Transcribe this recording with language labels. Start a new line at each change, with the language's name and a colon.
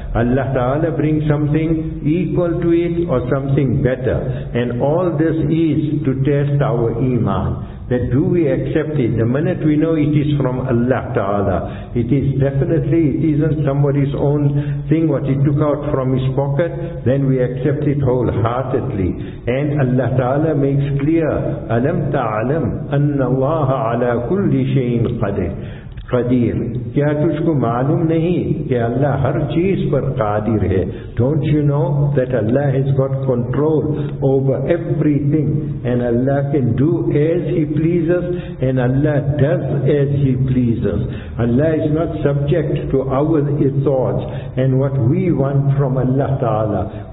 English: Allah Ta'ala brings something equal to it or something better. And all this is to test our iman. That do we accept it? The minute we know it is from Allah Ta'ala, it is definitely, it isn't somebody's own thing what he took out from his pocket, then we accept it wholeheartedly. And Allah Ta'ala makes clear,
Arabic: أَلَمْ تَعْلَمْ أَنَّ اللَّهَ عَلَى كُلِّ شَيْءٍ قَدِرٍ. قدیر.
Urdu: کیا تجھ کو معلوم نہیں کہ اللہ ہر چیز پر قادر ہے؟
English: Don't you know that Allah has got control over everything and Allah can do as He pleases and Allah does as He pleases. Allah is not subject to our thoughts and what we want from Allah Ta'ala.